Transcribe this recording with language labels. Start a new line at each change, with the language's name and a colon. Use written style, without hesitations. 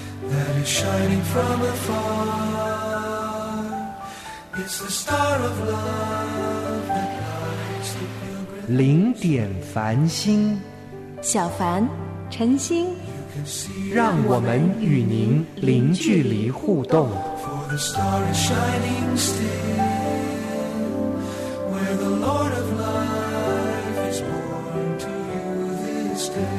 English: That is shining from afar. It's the star of love that lights the pilgrim's path.
Chinese: 零点繁星，小凡，晨星，让我们与您零距离互动。
English: For the star is shining still, where the Lord of life is born to you this day.